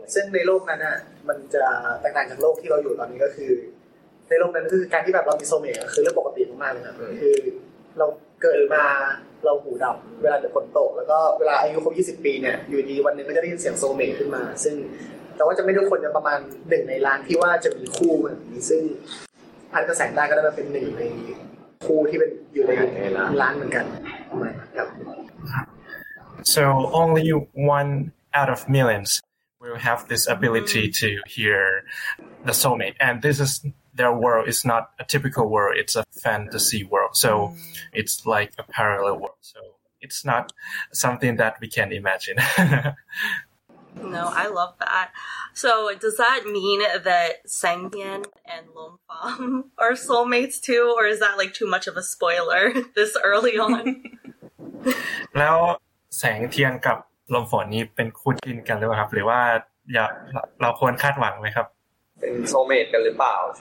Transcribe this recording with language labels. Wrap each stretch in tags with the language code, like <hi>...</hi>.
<th>ซึ่งในโลกนั้นอ่ะมันจะแตกต่างจากโลกที่เราอยู่ตอนนี้ก็คือในโลกนั้นก็คือการที่แบบเรามีโซเมตคือเรื่องปกติมากๆเลยครับคือเราเกิดมาเราหูดับเวลาเดือดฝนตกแล้วก็เวลาอายุครบ20ปีเนี่ยอยู่ดีวันนึงก็จะได้ยินเสียงโซเมตขึ้นมาซึ่งแต่ว่าจะไม่ทุกคนจะประมาณหนึ่งในล้านที่ว่าจะมีคู่แบบนี้ซึ่งพัดกระแสงได้ก็ได้มาเป็นหนึ่งในคู่ที่เป็นอยู่ในล้านเหมือนกันครับ</th> <en>So only one out of millions will have this ability to hear the soulmate and this is their world is not a typical world it's a fantasy world so it's like a parallel world so it's not something that we can imagine No, I love that. So, does that mean that Sengtian and Lomfang are soulmates too, or is that like too much of a spoiler this early on?</en> <th>แล้วแสงเทียนกับลมฝนนี้เป็นคู่จิ้นกันหรือเปล่าครับหรือว่าเราควรคาดหวังไหมครับ เป็น soulmate กันหรือเปล่าใช</th>